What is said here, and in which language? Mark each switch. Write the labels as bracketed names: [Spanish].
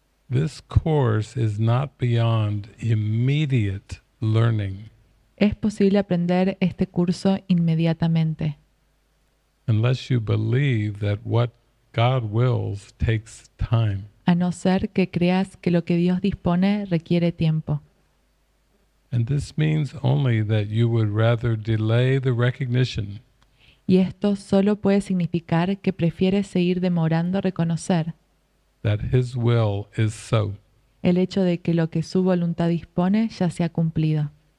[English] This course is not beyond immediate learning. [Spanish] Es posible aprender este curso inmediatamente. [English] Unless you believe that what God wills takes time. [Spanish] A no ser que creas que lo que Dios dispone requiere tiempo. [English] And this means only that you would rather delay the recognition. [Spanish] Y esto solo puede significar que prefieres seguir demorando reconocer [English] that his will is so. [Spanish] El hecho de que lo que su voluntad dispone ya se ha cumplido.